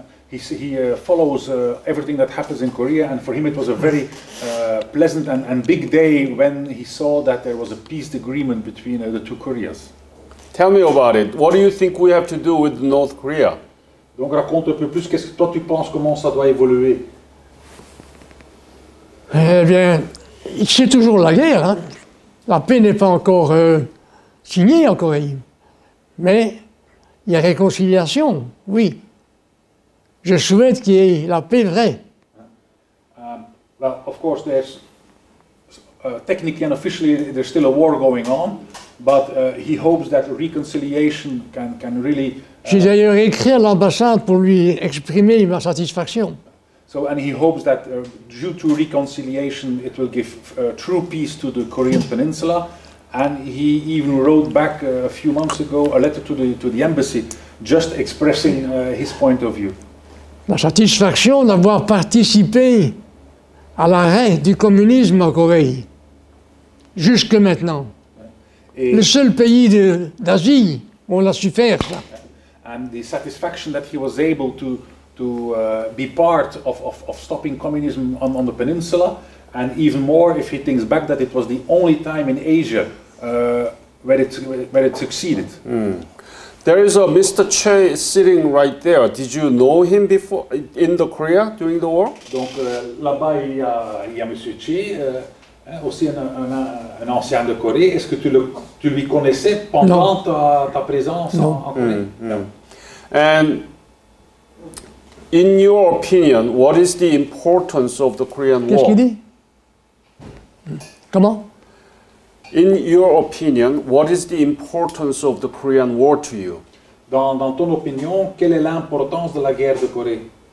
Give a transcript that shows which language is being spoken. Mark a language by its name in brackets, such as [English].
[English] He follows everything that happens in Korea, and for him it was a very pleasant and big day when he saw that there was a peace agreement between the two Koreas. Tell me about it. What do you think we have to do with North Korea? [French] Donc raconte un peu plus, qu'est-ce que toi tu penses, comment ça doit évoluer? Eh bien, c'est toujours la guerre, hein? La paix n'est pas encore signée en Corée, mais il y a réconciliation, oui. Je souhaite qu'il y ait la paix vraie. [English] Well, of course, there's technically and officially there's still a war going on, but he hopes that reconciliation can really. [French] J'ai d'ailleurs écrit à l'ambassade pour lui exprimer ma satisfaction. [English] So and he hopes that due to reconciliation, it will give true peace to the Korean Peninsula, and he even wrote back a few months ago a letter to the embassy, just expressing his point of view. [French] La satisfaction d'avoir participé à l'arrêt du communisme en Corée, jusque maintenant. Et le seul pays d'Asie où on l'a su faire, ça. [English] And the satisfaction that he was able to be part of stopping communism on the peninsula, and even more if he thinks back that it was the only time in Asia where it succeeded. Mm. There is a Mr. Che sitting right there. Did you know him before in the Korea during the war? [French] Donc là-bas il y a Monsieur Che, aussi un ancien de Corée. Est-ce que tu lui connaissais pendant ta présence en Corée? [English] And in your opinion, what is the importance of the Korean War? [French] Qu'est-ce qu'il dit? Comment? [English] In your opinion, what is the importance of the Korean War to you? [French] Dans ton opinion, quelle est l'importance de la guerre de Corée?